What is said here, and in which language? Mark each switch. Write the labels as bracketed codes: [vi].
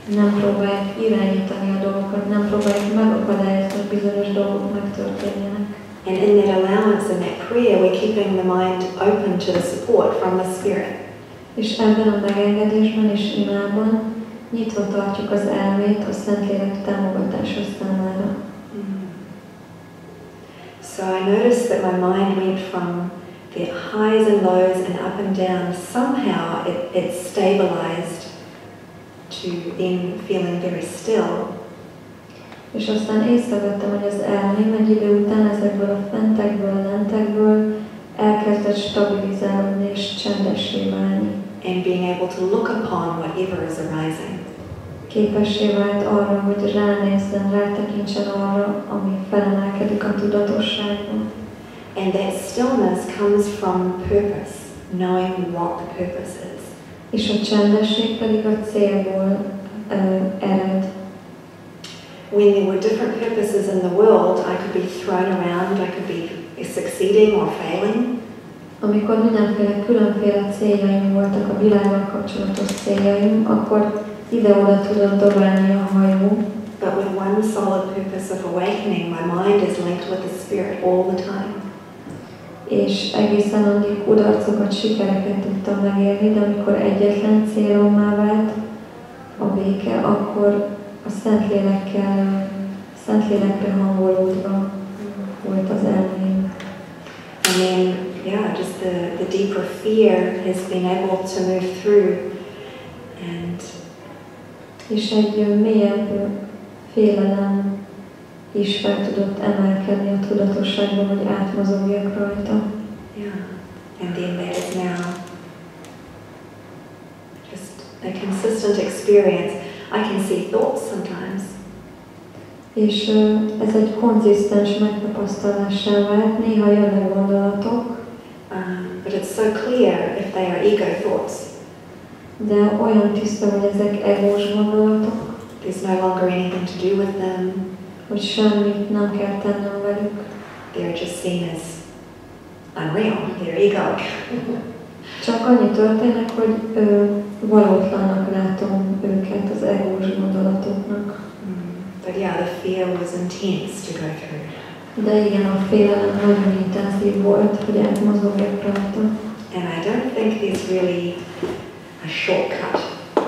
[hu] Nem próbáljuk irányítani a dolgokat, nem próbáljuk megakadályozni, hogy bizonyos dolgok megtörténjenek. [en] And in that allowance, in that prayer, we're keeping the mind open to the support from the spirit. [hu] És ebben a megengedésben és imában nyitva tartjuk az elmét a Szentlélek támogatása számára. [en] So I noticed that my mind went from the highs and lows and up and down. Somehow it stabilized to then feeling very still. [hu] És aztán észrevettem, hogy az elmém egy idő után ezekből a fentekből, a lentekből elkezdett stabilizálni és csendessé válni. [en] And being able to look upon whatever is arising. [hu] Képessé vált arra, hogy ránézzen, rátekintsen arra, ami felemelkedik a tudatosságban. [en] And that stillness comes from purpose, knowing what the purpose is. [hu] És a csendesség pedig a célból ered. [en] When there were different purposes in the world, I could be thrown around, I could be succeeding or failing. [hu] Amikor mindenféle különféle céljaim voltak a világgal kapcsolatos céljaim, akkor ide-oda tudott dobálni a hajó. [en] But with one solid purpose of awakening, my mind is linked with the spirit all the time. [hu] És egészen addig kudarcokat, sikereket tudtam megélni, de amikor egyetlen célommá vált a béke, akkor a Szentlélekkel, Szentlélekbe hangolódva volt az elmém. [en] And then, yeah, just the deeper fear has been able to move through. And [hu] és egy mélyebb félelem is fel tudott emelkedni a tudatosságban, hogy átmozogjak rajta. [en] Yeah, and then that is now just a consistent experience. I can see thoughts sometimes. [hu] És ez egy konzisztens megtapasztalással vált, néha jönnek gondolatok. [en] But it's so clear if they are ego thoughts. [hu] De olyan tiszta, hogy ezek egós gondolatok. [en] There's no longer anything to do with them. [hu] Hogy semmit nem kell tennem velük. [en] They're just seen as unreal, they're ego. [hu] Csak annyi történik, hogy valótlannak látom őket, az egós gondolatoknak. [en] But yeah, the fear was intense to go through. [hu] De igen, a félelem nagyon intenzív volt, hogy átmozogjak rajta. [en] And I don't think there's really a shortcut.